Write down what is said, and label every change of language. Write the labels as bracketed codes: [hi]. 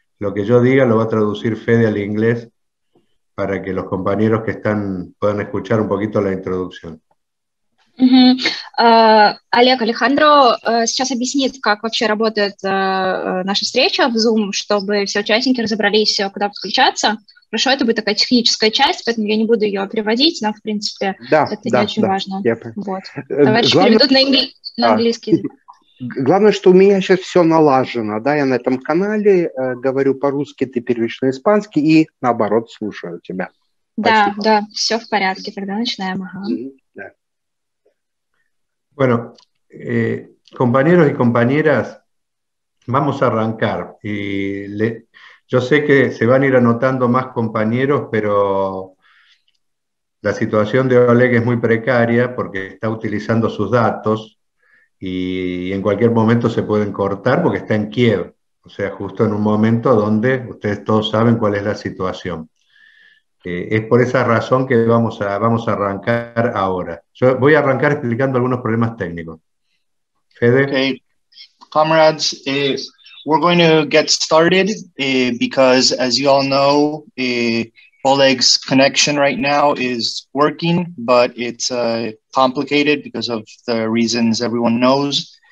[es] Lo que yo diga lo va a traducir Fede al inglés para que los compañeros que están puedan escuchar un poquito la introducción. [ru] Олег, Алехандро сейчас объяснит, как вообще работает наша встреча в Zoom, чтобы все участники разобрались, куда подключаться. Хорошо, это будет такая техническая часть, поэтому я не буду ее переводить, но, в принципе, Да, это не очень важно. я Вот. Товарищи главное, переведут на английский язык. главное, что у меня сейчас все налажено, да, я на этом канале говорю по-русски, ты переводишь на испанский и наоборот слушаю тебя. Да, Спасибо. все в порядке, тогда начинаем. [es] Bueno, compañeros y compañeras, vamos a arrancar. Yo sé que se van a ir anotando más compañeros, pero la situación de Oleg es muy precaria porque está utilizando sus datos y en cualquier momento se pueden cortar porque está en Kiev, o sea, justo en un momento donde ustedes todos saben cuál es la situación. Es por esa razón que vamos a arrancar ahora. Yo voy a arrancar explicando algunos problemas técnicos. Fede. [en] Okay, comrades, we're going to get started because, as you all know, Oleg's connection right now is working, but it's complicated because of the reasons everyone knows.